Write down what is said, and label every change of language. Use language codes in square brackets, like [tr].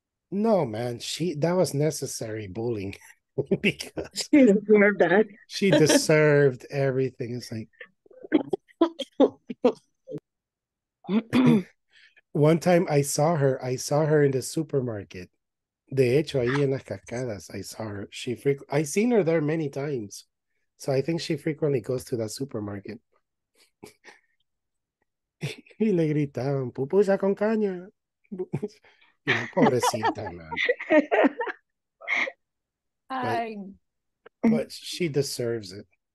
[en] No, man, that was necessary bullying. Because she deserved that. She deserved everything. It's like one time I saw her in the supermarket. [es] De hecho, ahí en las cascadas, [en] I saw her. I seen her there many times. So I think she frequently goes to that supermarket. [es] Y le gritaban, pupusa con caña. Y la pobrecita, man. [en] But she deserves it.